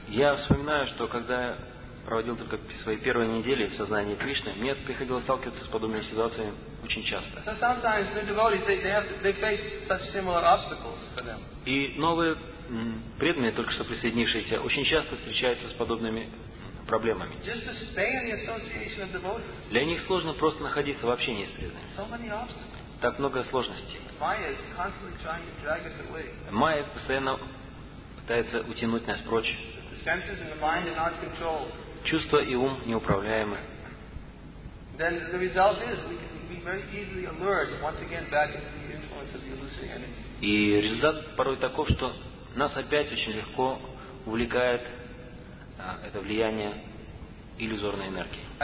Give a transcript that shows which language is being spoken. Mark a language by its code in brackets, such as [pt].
[ru] Я вспоминаю, что когда проводил только свои первые недели в сознании Кришны, мне приходилось сталкиваться с подобными ситуациями очень часто. [en] So sometimes new devotees they face such similar obstacles for them. [ru] И новые преданные, только что присоединившиеся, очень часто встречаются с подобными проблемами. [en] Just to stay in the association of devotees. [ru] Для них сложно просто находиться в общении с преданными. [en] So many obstacles. [ru] Так много сложностей. [en] Майя is constantly trying to drag us away. [ru] Майя постоянно пытается утянуть нас прочь. [en] The senses and the mind are not controlled. [ru] Чувства и ум неуправляемы. [en] Then the result is we can be very easily allured once again back into the influence of the illusory energy. [ru] И результат порой таков, что нас опять очень легко увлекает это влияние иллюзорной энергии.